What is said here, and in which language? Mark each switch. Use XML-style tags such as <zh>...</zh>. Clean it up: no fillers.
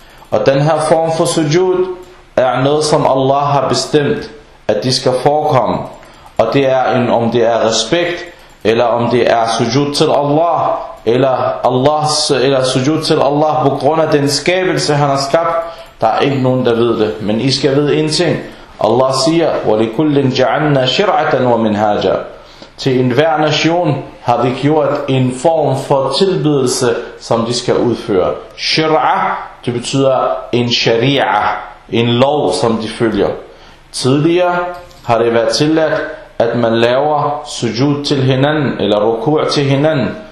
<da>Og den her form for sujud er noget, som Allah har bestemt, at de skal forekomme. Og det er en, om det er respekt, eller om det er sujud til Allah, eller sujud til Allah på grund af den skabelse, han har skabt. Der er ikke nogen, der ved det. Men I skal vide en ting. Allah siger:</da> <ar>وَلِكُلِّنْ جَعَلْنَا شِرْعَةً وَمِنْهَاجَا.</ar> <da>Til enhver nation har vi gjort en form for tilbedelse, som de skal udføre. Shir'ah, det betyder en sharia, en lov, som de følger. Tidligere har det været tilladt, at man laver sujud til hinanden, eller rukur til hinanden.</da>